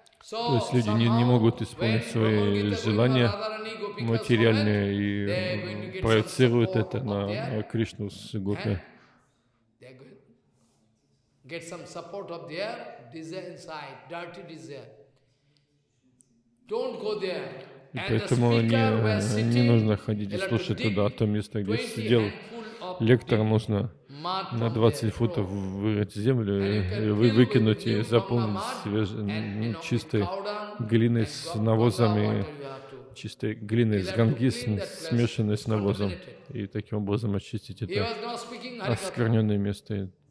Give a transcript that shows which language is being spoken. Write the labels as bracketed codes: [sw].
[ru] То есть люди не могут исполнить свои желания материальные и проецируют это на Кришну с Гопи. [en] Get some support of their desire inside, dirty desire. Don't go there. [ru] И поэтому не нужно ходить и слушать туда, то место, где сидел лектор, нужно на 20 футов вырыть землю и выкинуть и заполнить свежей, чистой глиной с навозом и чистой глиной с гангис, смешанной с навозом, и таким образом очистить это оскверненное место.